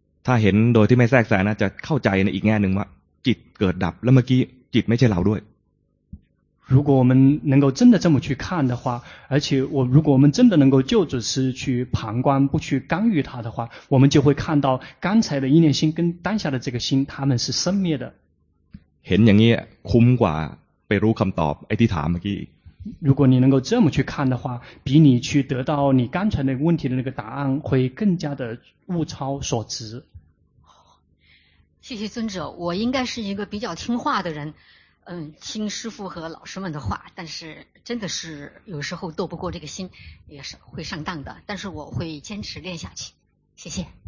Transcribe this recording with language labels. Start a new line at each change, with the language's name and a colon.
Thai: ถ้าเห็นโดยที่ไม่แทรกแซงนะจะเข้าใจในอีกแง่หนึ่งว่าจิตเกิดดับแล้วเมื่อกี้จิตไม่ใช่เราด้วย。
Chinese: 如果我们能够真的这么去看的话，而且如果我们真的能够就只是去旁观，不去干预它的话，我们就会看到刚才的一念心跟当下的这个心，他们是生灭的。
Thai: เห็นอย่างนี้คุ้มกว่าไปรู้คำตอบไอ้ที่ถามเมื่อกี้。
Chinese: 如果你能够这么去看的话，比你去得到你刚才的问题的那个答案会更加的物超所值。谢谢尊者，我应该是一个比较听话的人。嗯，听师父和老师们的话，但是真的是有时候斗不过这个心，也是会上当的，但是我会坚持练下去，谢谢。